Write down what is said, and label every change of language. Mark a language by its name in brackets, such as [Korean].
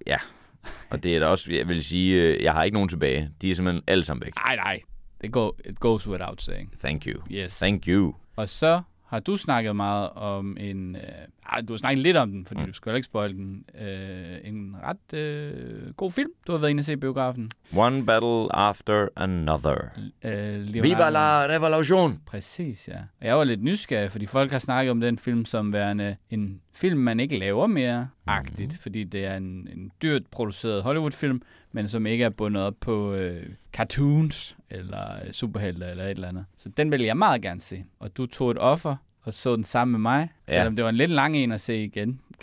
[Danish] Ja, og det er da også, jeg vil sige, jeg har ikke nogen tilbage. De er simpelthen alle sammen væk. Nej. [English] It goes without saying. Thank you. Yes. Thank you. [Danish] Og så har du snakket meget om en... du har snakket lidt om den, fordi du skal ikke spoil den. En ret god film, du har været inde og se i biografen. [English] One battle after another. [Spanish] Viva la revolution! [Danish] Præcis, ja. Og jeg var lidt nysgerrig, fordi folk har snakket om den film som værende en film, man ikke laver mere-agtigt, fordi det er en dyrt produceret Hollywood-film, men som ikke er bundet op på cartoons eller superhelter eller et eller andet. Så den ville jeg meget gerne se. Og du tog et offer og så den sammen med mig, selvom det var en lidt lang en at se igen.